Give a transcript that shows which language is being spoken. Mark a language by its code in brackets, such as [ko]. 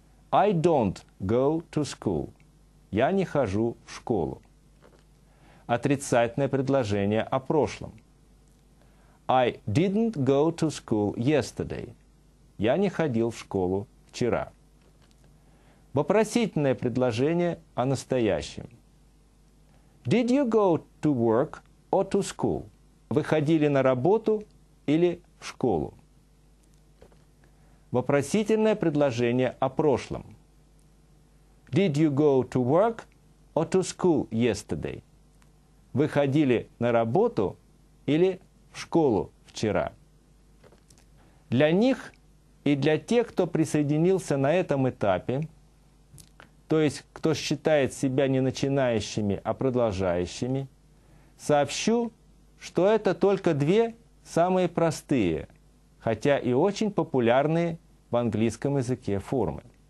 [en] I don't go to school. [ru] Я не хожу в школу. Отрицательное предложение о прошлом. [en] I didn't go to school yesterday. [ru] Я не ходил в школу вчера. Вопросительное предложение о настоящем. [en] Did you go to work or to school? [ru] Вы ходили на работу или в школу? Вопросительное предложение о прошлом. [en] Did you go to work or to school yesterday? [ru] Вы ходили на работу или в школу вчера? Для них и для тех, кто присоединился на этом этапе, то есть кто считает себя не начинающими, а продолжающими, сообщу, что это только две самые простые, хотя и очень популярные в английском языке формы.